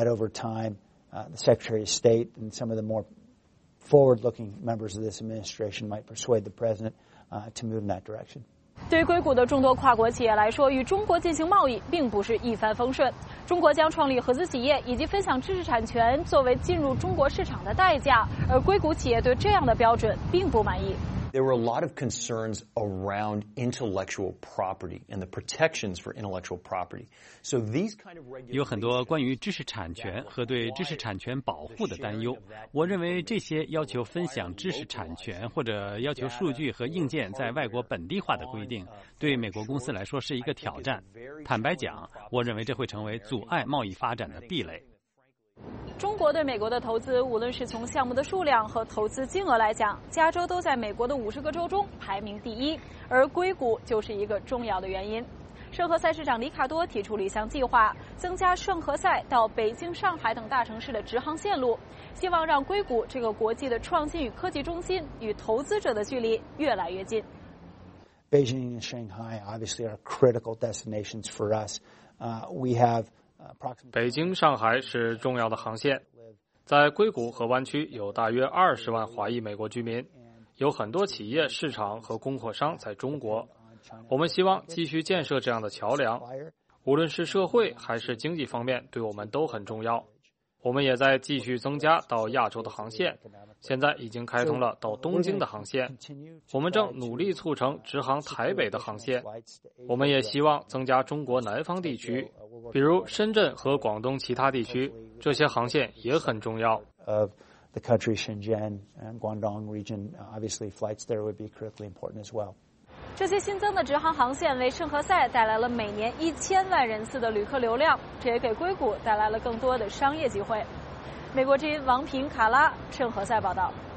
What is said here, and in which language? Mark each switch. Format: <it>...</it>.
<en>The Secretary of State and some of the more forward-looking members of this administration might persuade the President to move in that direction.</en> <zh>对硅谷的众多跨国企业来说，与中国进行贸易并不是一帆风顺。中国将创立合资企业以及分享知识产权作为进入中国市场的代价，而硅谷企业对这样的标准并不满意。</zh> <en>There were a lot of concerns around intellectual property and the protections for intellectual property. So these kind of regulations</en> <zh>有很多关于知识产权和对知识产权保护的担忧。我认为这些要求分享知识产权或者要求数据和硬件在外国本地化的规定，对美国公司来说是一个挑战。坦白讲，我认为这会成为阻碍贸易发展的壁垒。中国对美国的投资，无论是从项目的数量和投资金额来讲，加州都在美国的50个州中排名第一，而硅谷就是一个重要的原因。圣何塞市长里卡多提出了一项计划，增加圣何塞到北京、上海等大城市的直航线路，希望让硅谷这个国际的创新与科技中心与投资者的距离越来越近。</zh> <en>Beijing and Shanghai obviously are critical destinations for us. We have approximately</en> <zh>北京、上海是重要的航线。在硅谷和湾区有大约20万华裔美国居民，有很多企业、市场和供货商在中国。我们希望继续建设这样的桥梁，无论是社会还是经济方面，对我们都很重要。我们也在继续增加到亚洲的航线，现在已经开通了到东京的航线。我们正努力促成直航台北的航线。我们也希望增加中国南方地区，比如深圳和广东其他地区，这些航线也很重要。</zh> <en>The country Shenzhen and Guangdong region, obviously flights there would be critically important as well.</en> <zh>这些新增的直航航线为圣何塞带来了每年1000万人次的旅客流量，这也给硅谷带来了更多的商业机会。美国之音王平卡拉圣何塞报道。</zh>